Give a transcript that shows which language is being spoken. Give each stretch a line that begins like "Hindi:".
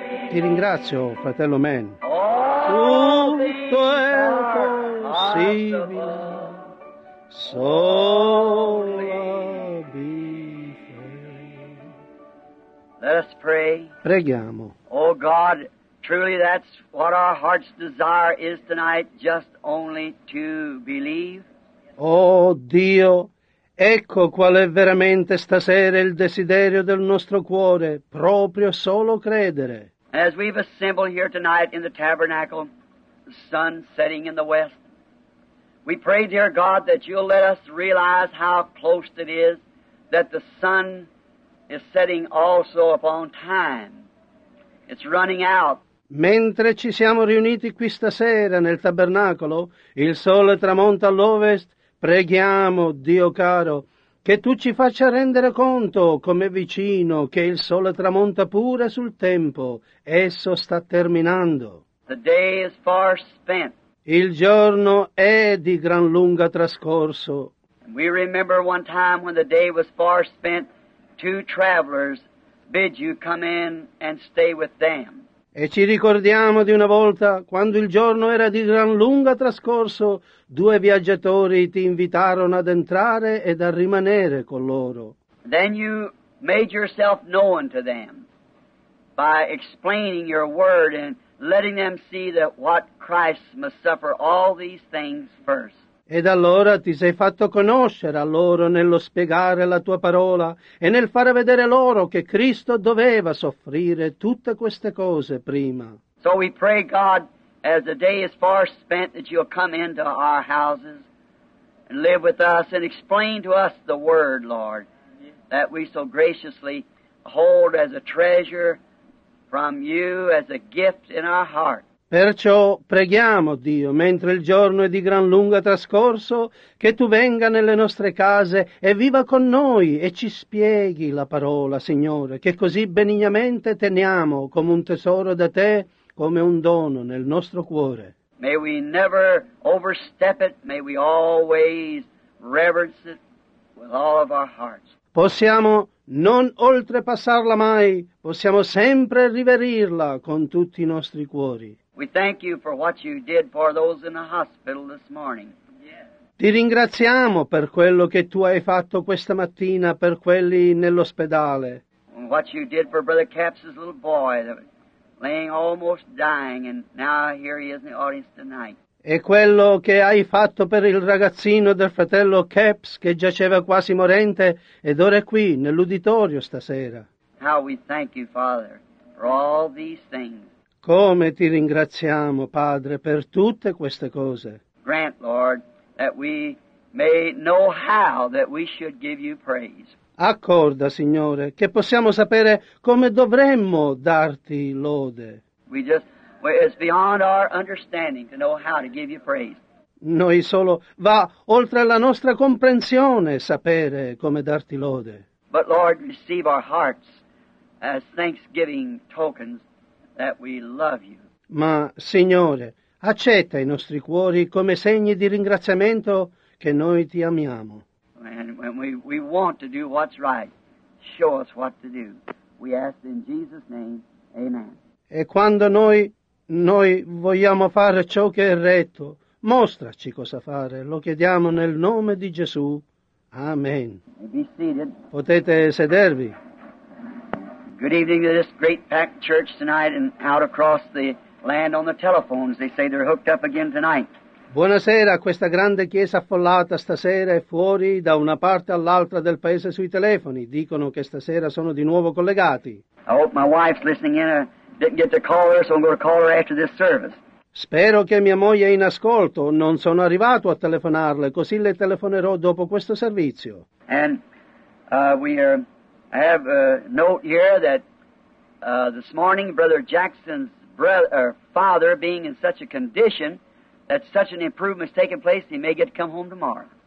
Italian: Ti ringrazio, fratello Man. Tutto è possibile, solo di
English: te. Let us pray.
Italian: Preghiamo.
English: Oh God, truly that's what our heart's desire is tonight, just only to believe.
Italian: Oh Dio, ecco qual è veramente stasera il desiderio del nostro cuore, proprio solo credere.
English: As we've assembled here tonight in the tabernacle, the sun setting in the west, we pray, dear God, that you'll let us realize how close it is that the sun is setting also upon time. It's running out.
Italian: Mentre ci siamo riuniti qui stasera nel tabernacolo, il sole tramonta all'ovest, preghiamo, Dio caro, che tu ci faccia rendere conto, come vicino, che il sole tramonta pure sul tempo, esso sta terminando.
English: The day is far spent.
Italian: Il giorno è di gran lunga trascorso.
English: We remember one time when the day was far spent, two travelers bid you come in and stay with them.
Italian: E ci ricordiamo di una volta, quando il giorno era di gran lunga trascorso, due viaggiatori ti invitarono ad entrare ed a rimanere con loro.
English: Then you made yourself known to them by explaining your word and letting them see that what Christ must suffer all these things first.
Italian: Ed allora ti sei fatto conoscere a loro nello spiegare la tua parola e nel fare vedere loro che Cristo doveva soffrire tutte queste cose prima.
English: So we pray, God, as the day is far spent, that you'll come into our houses and live with us and explain to us the word, Lord, that we so graciously hold as a treasure from you, as a gift in our heart.
Italian: Perciò preghiamo, Dio, mentre il giorno è di gran lunga trascorso, che Tu venga nelle nostre case e viva con noi e ci spieghi la parola, Signore, che così benignamente teniamo come un tesoro da Te, come un dono nel nostro cuore.
English: May we never overstep it, may we always reverence it with all of our hearts.
Italian: Possiamo non oltrepassarla mai, possiamo sempre riverirla con tutti i nostri cuori.
English: We thank you for what you did for those in the hospital this morning.
Italian: Ti ringraziamo per quello che tu hai fatto questa mattina per quelli nell'ospedale.
English: What you did for Brother Caps's little boy, laying almost dying, and now here he is in the audience tonight.
Italian: E quello che hai fatto per il ragazzino del fratello Caps che giaceva quasi morente ed ora è qui nell'uditorio stasera.
English: How we thank you, Father, for all these things.
Italian: Come ti ringraziamo, Padre, per tutte queste cose.
English: Grant, Lord, that we may know how that we should give you praise.
Italian: Accorda, Signore, che possiamo sapere come dovremmo darti lode.
English: It's beyond our understanding to know how to give you praise.
Italian: Noi solo va oltre la nostra comprensione sapere come darti lode.
English: But Lord, receive our hearts as thanksgiving tokens that we love you.
Italian: Ma, Signore, accetta i nostri cuori come segni di ringraziamento che noi ti amiamo.
English: And when we want to do what's right, show us what to do. We ask in Jesus' name, amen.
Italian: E quando noi vogliamo fare ciò che è retto, mostraci cosa fare. Lo chiediamo nel nome di Gesù. Amen.
English: Be seated.
Italian: Potete sedervi.
English: Good evening to this great packed church tonight and out across the land on the telephones. They say they're hooked up again tonight.
Italian: Buonasera a questa grande chiesa affollata stasera e fuori da una parte all'altra del paese sui telefoni. Dicono che stasera sono di nuovo collegati.
English: I hope my wife's listening in. I didn't get to call her, so I'm going to call her after this service.
Italian: Spero che mia moglie è in ascolto. Non sono arrivato a telefonarle, così le telefonerò dopo questo servizio.
English: And I have a note here that this morning Brother Jackson's father being in such a condition that such an improvement has taken place, he may get to come home tomorrow.